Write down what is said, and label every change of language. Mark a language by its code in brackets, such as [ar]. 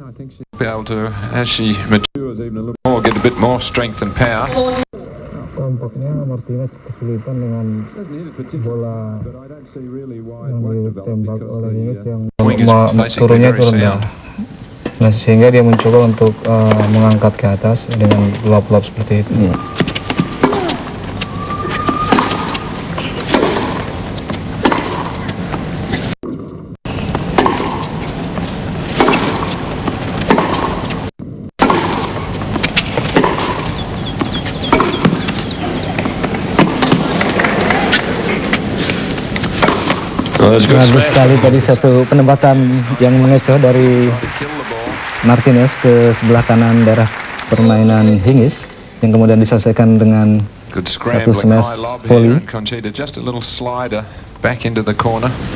[en] I think she'll be able to, as she matures even a little more, get a bit more strength and power. [id] Tampaknya Martinez kesulitan dengan bola yang ditembak oleh Hingis yang turunnya rendah. Nah, sehingga dia mencoba untuk mengangkat ke atas dengan lob-lob seperti itu. Yeah. Bagus sekali tadi satu penempatan yang mengecoh dari Martinez ke sebelah kanan daerah permainan Hingis yang kemudian diselesaikan dengan satu smash volley. [en] Conchita, just a little slider back into the corner.